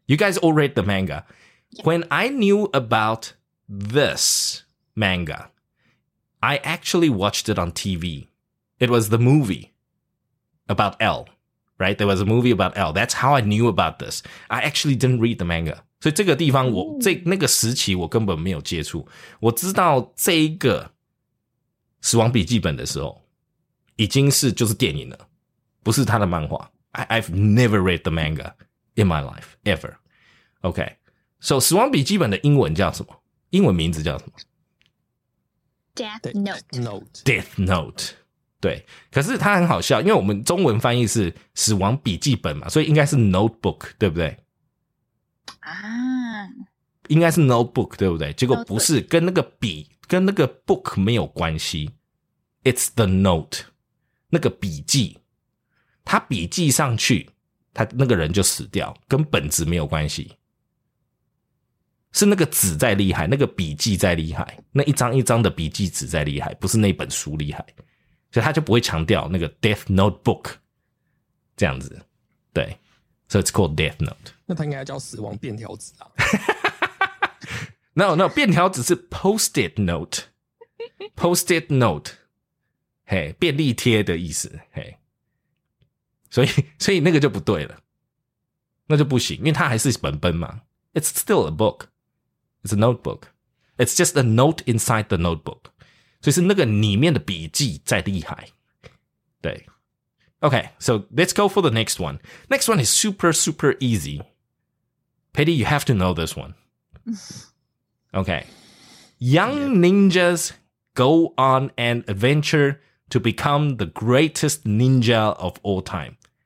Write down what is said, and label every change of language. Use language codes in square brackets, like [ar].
[en] You guys all read the manga. Yeah. When I knew about this manga, I actually watched it on TV. It was the movie about L, right? There was a movie about L. That's how I knew about this. I actually didn't read the manga. [zh] 所以这个地方我这那个时期我根本没有接触。我知道这一个死亡笔记本的时候已经是就是电影了。不是他的漫画。 [en] I've never read the manga in my life, ever. Okay. So [zh] 死亡笔记本的英文叫什么？英文名字叫什么？ [en] Death Note. Death Note. [zh] 对。可是它很好笑，因为我们中文翻译是死亡笔记本嘛，所以应该是 notebook, 对不对？啊，应该是 notebook 对不对？结果不是，跟那个笔跟那个 book 没有关系。 [en] It's the note, [zh] 那个笔记，他笔记上去，他那个人就死掉，跟本子没有关系。是那个纸在厉害，那个笔记在厉害，那一张一张的笔记纸在厉害，不是那本书厉害，所以他就不会强调那个 death notebook 这样子，对。 [en] So it's called Death Note. [zh] 那它应该叫死亡便条纸啊。 [en] No, [zh] 便条纸是 Post-it Note. Post-it Note. 便利贴的意思。所以那个就不对了。那就不行，因为它还是本本嘛。 [en] It's still a book. It's a notebook. It's just a note inside the notebook. [zh] 所以是那个里面的笔记在厉害。对。 [en] Okay, so let's go for the next one. Next one is super, super easy. Petty, you have to know this one. Okay. Young ninjas go on an adventure to become the greatest ninja of all time.